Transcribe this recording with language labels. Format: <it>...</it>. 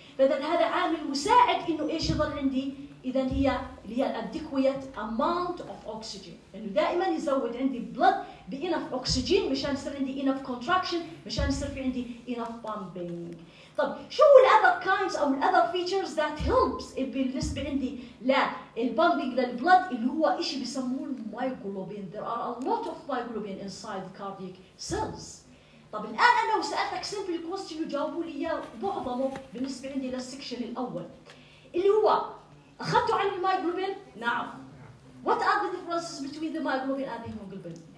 <ar>فإذا هذا عامل مساعد إنه إيش يظل عندي إذا هي اللي هي الأدكويت</ar> <en>amount of oxygen</en> <ar>إنه دائما يزود عندي blood بإنف أكسجين مشان يصير عندي إنف contraction مشان يصير في عندي إنف pumping. طب شو الـ other kinds أو الـ</ar> <en>other features that helps</en> <ar>بالنسبة عندي لا الـ pumping للـ blood اللي هو إشي بيسموه myoglobin.</ar> <en>There are a lot of myoglobin inside the cardiac cells.</en> <ar>طب الآن أنا وسألتك</ar> <en>simple question</en> <ar>وجاوبوا لي معظمه بالنسبة عندي للسكشن الأول اللي هو أخذته عن الميوغلوبين؟ نعم.</ar> <en>What are the differences between the myoglobin and the hemoglobin?</en>